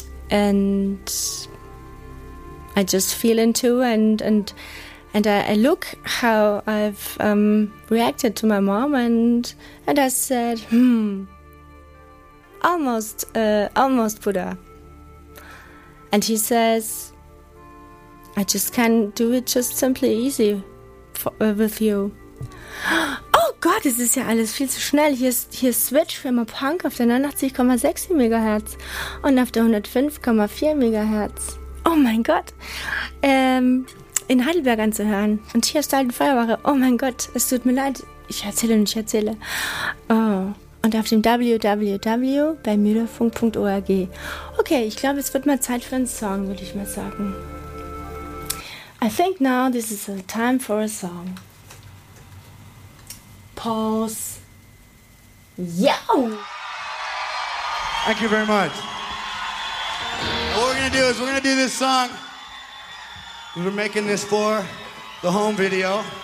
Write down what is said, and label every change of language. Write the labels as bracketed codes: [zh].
[en] And I just feel into and I look how I've reacted to my mom and I said, almost Buddha. And he says, I just can't do it just simply easy with you. [de] Oh Gott, es ist ja alles viel zu schnell. Hier ist Switch für immer Punk auf der 89,6 MHz und auf der 105,4 MHz. Oh mein Gott, in Heidelberg anzuhören. Und hier ist halt eine Feuerwache. Oh mein Gott, es tut mir leid. Ich erzähle. Oh. Und auf dem www.bei-müderfunk.org. Okay, ich glaube, es wird mal Zeit für einen Song, würde ich mal sagen. [en] I think now this is a time for a song. Pause. Yo! Thank you very much. What we're going to do is we're going to do this song. We're making this for the home video.